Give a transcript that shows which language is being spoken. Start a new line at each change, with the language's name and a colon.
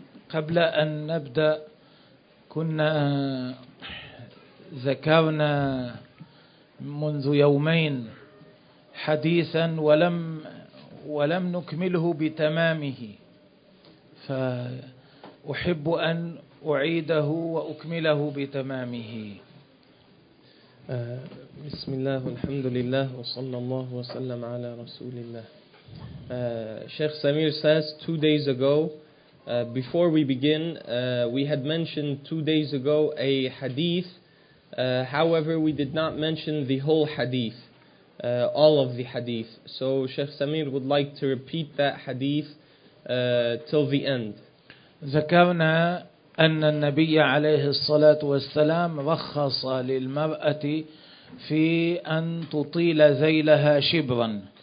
Arabic: قبل أن نبدأ كنا ذكرنا منذ يومين حديثا ولم نكمله بتمامه، فأحب أن أعيده وأكمله بتمامه. بسم الله والحمد لله وصلى الله وسلم على رسول الله.
English: Sheikh Samir says, 2 days ago, before we begin, we had mentioned 2 days ago a hadith. However, we did not mention the whole hadith, all of the hadith. So Sheikh Samir would like to repeat that hadith till the end.
Arabic: ذكرنا أن النبي عليه الصلاة والسلام رخص للمرأة في أن تطيل ذيلها شبرا.